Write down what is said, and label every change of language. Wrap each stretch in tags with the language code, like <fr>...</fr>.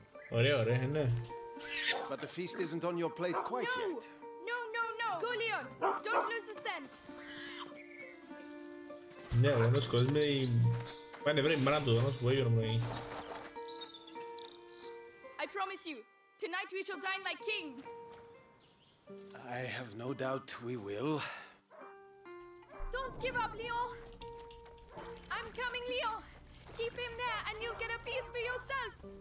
<en>But the feast isn't on your plate quite yet. No. Go, Leon. Don't lose the scent.</en> <el>Ναι, ο Ρένος κόλλησε με την... Πάει να βρει η μάνα του, ο Ρένος που έγινε με την...</el> <en>I promise you, tonight we shall dine like kings! I have no doubt we will. Don't give up, Leon! I'm coming, Leon! Keep him there and you'll get a piece for yourself!</en>